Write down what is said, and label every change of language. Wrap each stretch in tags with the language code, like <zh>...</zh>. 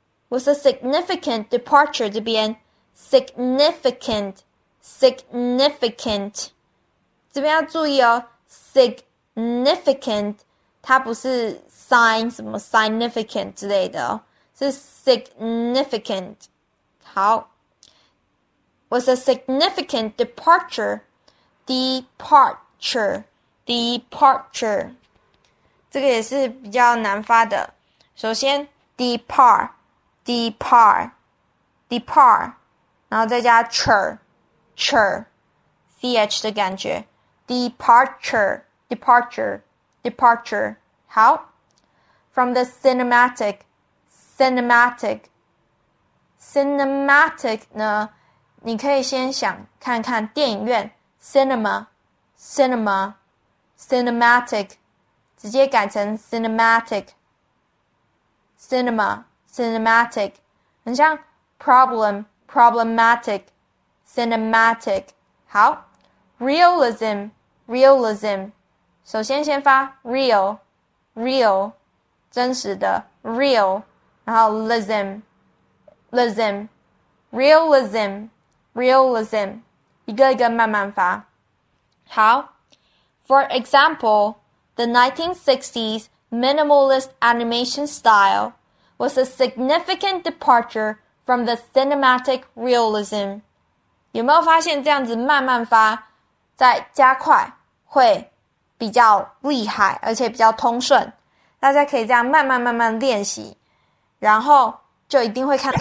<en>was a significant departure</en> <zh>这边 significant，这边要注意哦，significant。它不是 sign 什么 significant 之类的哦，是 significant。好，</zh> <en>was a significant departure，</en> <zh>departure，departure，这个也是比较难发的。首先，depart，depart，depart，然后再加 cher，cher，ch 的感觉，departure，departure，departure。好，</zh> <en>from the cinematic</en> <zh>呢？你可以先想看看电影院 cinema，cinema，cinematic，直接改成 cinematic，cinema，cinematic，很像 problematic，cinematic。好，realism，realism，首先先发 real。 Real，真实的 real，然后 lism，realism，realism，一个一个慢慢发。</zh> <en>好，For example，the 1960s minimalist animation style was a significant departure from the cinematic realism。</en> <zh>有没有发现这样子慢慢发，再加快会比较厉害，而且比较通顺。大家可以这样慢慢练习，然后就一定会看看。</zh>